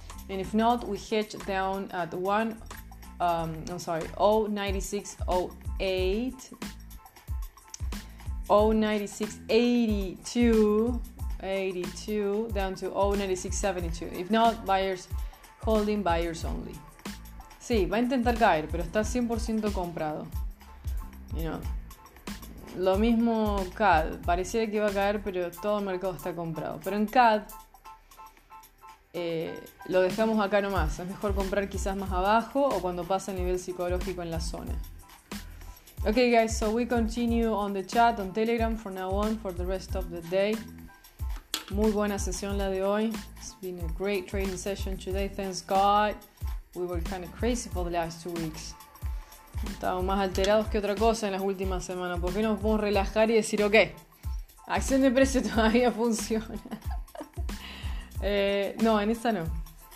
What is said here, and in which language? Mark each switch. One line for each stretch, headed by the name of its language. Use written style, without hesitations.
English: And if not, we hedge down at 0.9682 down to 0.9672. If not, buyers holding, buyers only.
Spanish: Sí, va a intentar caer, pero está 100% comprado.
English: You know,
Spanish: lo mismo CAD, pareciera que iba a caer, pero todo el mercado está comprado. Pero en CAD lo dejamos acá nomás. Es mejor comprar quizás más abajo o cuando pasa el nivel psicológico en la zona.
English: Okay, guys, so we continue on the chat on Telegram from now on for the rest of the day.
Spanish: Muy buena sesión la de hoy.
English: It's been a great trading session today, thanks God. We were kind of crazy for the last 2 weeks.
Spanish: Estamos más alterados que otra cosa en las últimas semanas. ¿Por qué no nos podemos relajar y decir, ok, acción de precio todavía funciona? No, en esta no.